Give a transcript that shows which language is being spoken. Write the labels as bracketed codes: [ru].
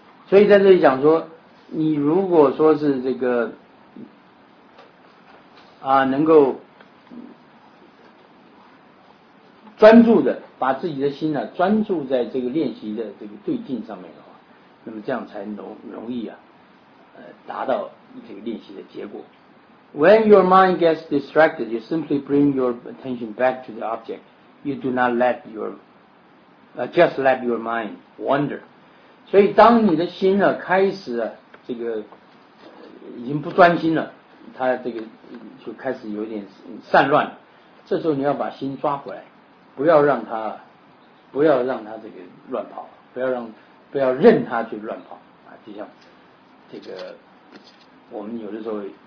[zh] 所以在这里讲说，你如果说是这个能够专注的把自己的心呢、专注在这个练习的这个对境上面的话，那么这样才容易达到这个练习的结果。 [en] When your mind gets distracted, you simply bring your attention back to the object. You do not let your just let your mind wander. [zh] 所以当你的心呢开始这个已经不专心了，它这个就开始有点散乱了，这时候你要把心抓回来，不要让它这个乱跑，不要任它去乱跑啊，就像这个我们有的时候，